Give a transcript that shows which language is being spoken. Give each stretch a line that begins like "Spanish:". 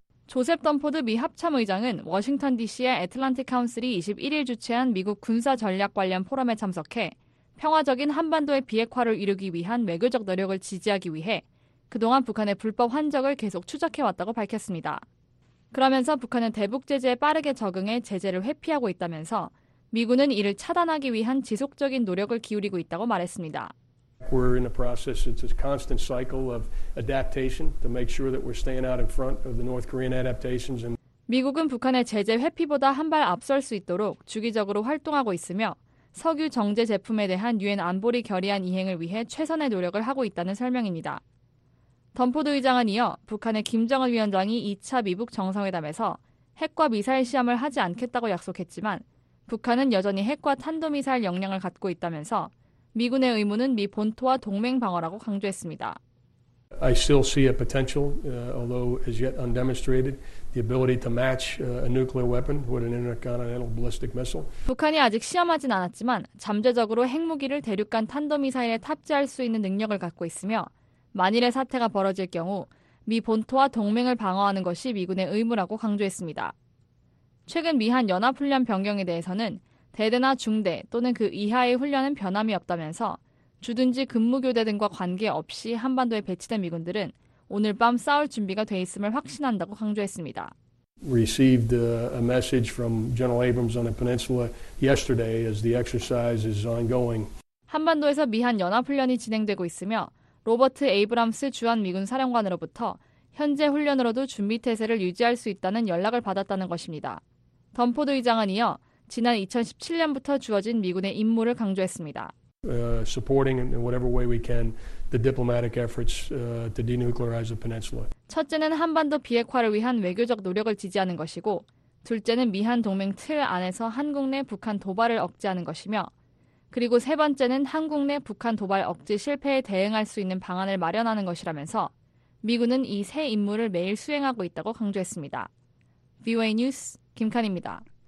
Korean: 조셉 던포드 미 합참의장은 워싱턴 DC의 애틀란틱 카운슬이 21일 주최한 미국 군사 전략 관련 포럼에 참석해 평화적인 한반도의 비핵화를 이루기 위한 외교적 노력을 지지하기 위해 그동안 북한의 불법 환적을 계속 추적해왔다고 밝혔습니다. 그러면서 북한은 대북 제재에 빠르게 적응해 제재를 회피하고 있다면서 미군은 이를 차단하기 위한 지속적인 노력을 기울이고 있다고 말했습니다.
English: We're in a process. It's a constant cycle of adaptation to make sure that we're staying out in front of the North Korean adaptations.
Korean: 미국은 북한의 제재 회피보다 한 발 앞설 수 있도록 주기적으로 활동하고 있으며 석유 정제 제품에 대한 유엔 안보리 결의안 이행을 위해 최선의 노력을 하고 있다는 설명입니다. 던포드 의장은 이어 북한의 김정은 위원장이 2차 미북 정상회담에서 핵과 미사일 시험을 하지 않겠다고 약속했지만 북한은 여전히 핵과 탄도미사일 역량을 갖고 있다면서 미군의 의무는 미 본토와 동맹 방어라고 강조했습니다.
English: I still see a potential, although as yet undemonstrated, the ability to match a nuclear weapon with an intercontinental ballistic missile.
Korean: 북한이 아직 시험하진 않았지만 잠재적으로 핵무기를 대륙간 탄도미사일에 탑재할 수 있는 능력을 갖고 있으며 만일의 사태가 벌어질 경우 미 본토와 동맹을 방어하는 것이 미군의 의무라고 강조했습니다. 최근 미한 연합훈련 변경에 대해서는 대대나 중대 또는 그 이하의 훈련은 변함이 없다면서 주둔지 근무교대 등과 관계없이 한반도에 배치된 미군들은 오늘 밤 싸울 준비가 돼 있음을 확신한다고 강조했습니다.
English: Received a message from General Abrams on the peninsula yesterday as the exercise is ongoing.
Korean: 한반도에서 미한 연합훈련이 진행되고 있으며 로버트 에이브람스 주한미군 사령관으로부터 현재 훈련으로도 준비태세를 유지할 수 있다는 연락을 받았다는 것입니다. 던포드 의장은 이어 지난 2017년부터 주어진 미군의 임무를 강조했습니다.
English: Supporting in whatever way we can the diplomatic efforts to denuclearize the peninsula.
Korean: 첫째는 한반도 비핵화를 위한 외교적 노력을 지지하는 것이고 둘째는 미한 동맹 틀 안에서 한국 내 북한 도발을 억제하는 것이며 그리고 세 번째는 한국 내 북한 도발 억제 실패에 대응할 수 있는 방안을 마련하는 것이라면서 미군은 이 세 임무를 매일 수행하고 있다고 강조했습니다. VOA 뉴스 김칸입니다.